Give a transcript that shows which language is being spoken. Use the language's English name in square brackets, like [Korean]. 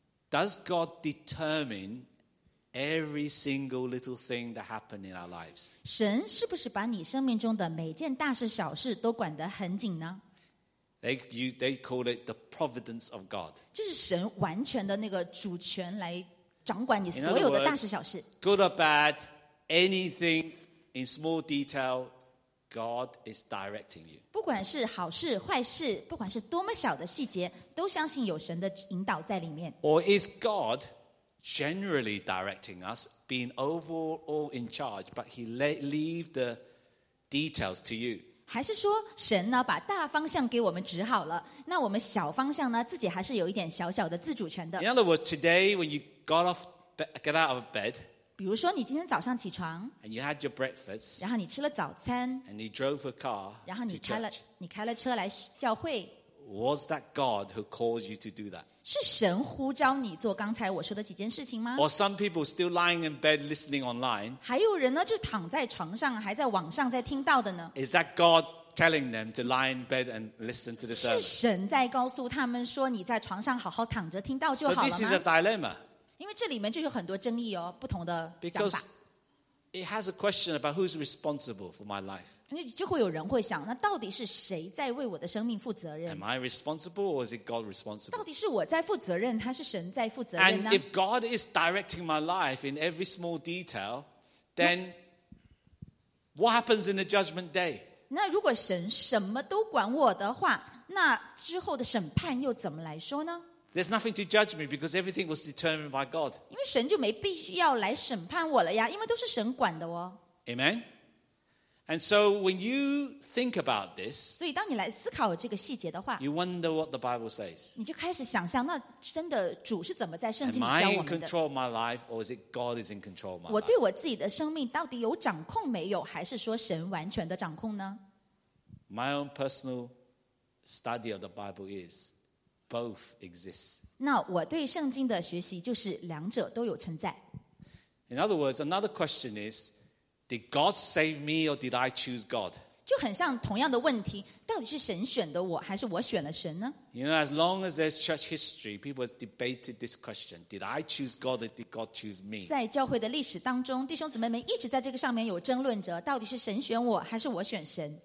[English] Does God determine every single little thing that happened in our lives. [Chinese] 神是不是把你生命中的每件大事小事都管得很紧呢？ [English] They call it the providence of God. [Chinese] 就是神完全的那个主权来掌管你所有的大事小事。 [English] Good or bad, anything in small detail, God is directing you. [Chinese] 不管是好事坏事，不管是多么小的细节，都相信有神的引导在里面。 [English] Or is GodGenerally directing us, being overall in charge, but he leave the details to you. [Chinese] 还是说神呢把大方向给我们指好了，那我们小方向呢自己还是有一点小小的自主权的。 [English] In other words, today when you get out of bed, [Chinese] 比如说你今天早上起床 [English] ，and you had your breakfast, [Chinese] 然后你吃了早餐 [English] ，and you drove a car, [Chinese] 然后你开了车来教会。 [English] Was that God who caused you to do that? [Chinese] 是神呼召你做刚才我说的几件事情吗？ [English] Or some people still lying in bed listening online? [Chinese] 还有人呢，就躺在床上，还在网上在听到的呢。 [English] Is that God telling them to lie in bed and listen to the sermon? [Chinese] 是神在告诉他们说，你在床上好好躺着听到就好了吗？ [English] So this is a dilemma. [Chinese] 因为这里面就有很多争议哦，不同的讲法。 [English] Because it has a question about who's responsible for my life. [Chinese] 就会有人会想，那到底是谁在为我的生命负责任？ [English] Am I responsible or is it God responsible? [Chinese] 到底是我在负责任，还是神在负责任呢？ [English] And if God is directing my life in every small detail, then what happens in the judgment day? [Chinese] 那如果神什么都管我的话，那之后的审判又怎么来说呢？ [English] There's nothing to judge me because everything was determined by God. [Chinese] 因为神就没必要来审判我了呀，因为都是神管的哦。 [English] Amen. And so when you think about this, [Chinese] 所以当你来思考这个细节的话 [English] you wonder what the Bible says. [Chinese] 你就开始想象那真的主是怎么在圣经里教我们的。 [English] Am I in control of my life or is it God is in control of my life? [Chinese] 我对我自己的生命到底有掌控没有，还是说神完全的掌控呢？ [English] My own personal study of the Bible is both exist. [Chinese] 那我对圣经的学习就是两者都有存在。 [English] In other words, another question is,Did God save me or did I choose God? [Chinese] 就很像同样的问题，到底是神选的我，还是我选了神呢？ [English] You know, as long as there's church history, people have debated this question: Did I choose God or did God choose me? [Chinese] 在教会的历史当中，弟兄姊妹们一直在这个上面有争论着，到底是神选我，还是我选神？